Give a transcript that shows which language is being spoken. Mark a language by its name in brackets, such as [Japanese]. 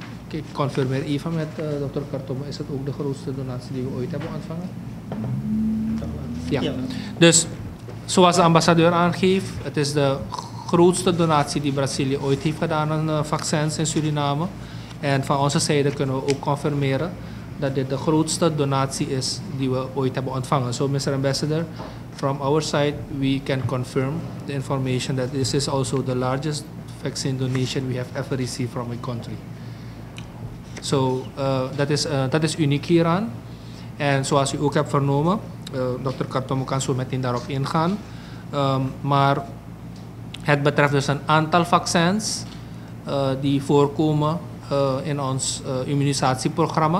[Dutch] Ik confirmeer even met dokter Kartom, is het ook de grootste donatie die we ooit hebben ontvangen? Ja. Dus, zoals de ambassadeur aangeeft, het is de grootste donatie die Brazilië ooit heeft gedaan aan vaccins in Suriname. En van onze zijde kunnen we ook confirmeren dat dit de grootste donatie is die we ooit hebben ontvangen. [English] So, Mr. Ambassador, from our side, we can confirm the information that this is also the largest vaccine donation we have ever received from a country. [Dutch] So, dat is uniek hieraan. En zoals u ook hebt vernomen, dokter Kartomo kan zo meteen daarop ingaan. Maar het betreft dus een aantal vaccins die voorkomen in ons immunisatieprogramma.